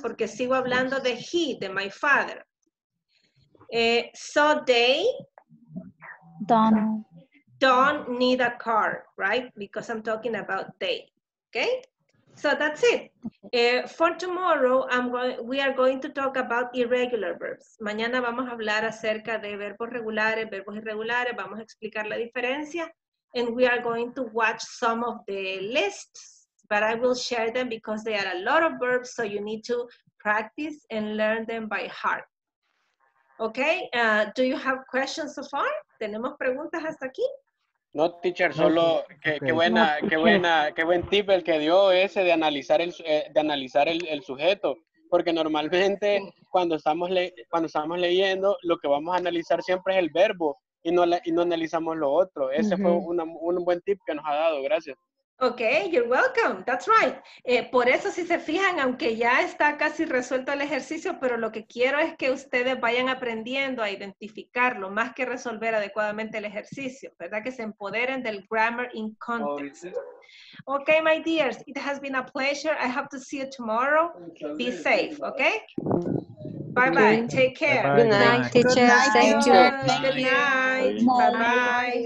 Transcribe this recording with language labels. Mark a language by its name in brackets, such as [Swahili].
[Spanish] Porque sigo hablando de he, de my father. [English] So they don't need a car, right? Because I'm talking about they, okay? So that's it. For tomorrow, we are going to talk about irregular verbs. [Spanish] Mañana vamos a hablar acerca de verbos regulares, verbos irregulares. Vamos a explicar la diferencia. [English] And we are going to watch some of the lists, but I will share them because they are a lot of verbs, so you need to practice and learn them by heart. Okay, do you have questions so far? [Spanish] ¿Tenemos preguntas hasta aquí? No, teacher, solo qué buen tip el que dio ese de analizar el sujeto, porque normalmente cuando estamos leyendo, lo que vamos a analizar siempre es el verbo y no analizamos lo otro. Ese fue un buen tip que nos ha dado, gracias. [English] Okay, you're welcome. That's right. [Spanish] Por eso, si se fijan, aunque ya está casi resuelto el ejercicio, pero lo que quiero es que ustedes vayan aprendiendo a identificarlo, más que resolver adecuadamente el ejercicio, ¿verdad? Que se empoderen del [English] grammar in context. Okay, my dears, it has been a pleasure. I hope to see you tomorrow. Be safe, okay? Bye-bye. Take care. Good night, teacher. Good night. Thank you. Good night. Bye-bye.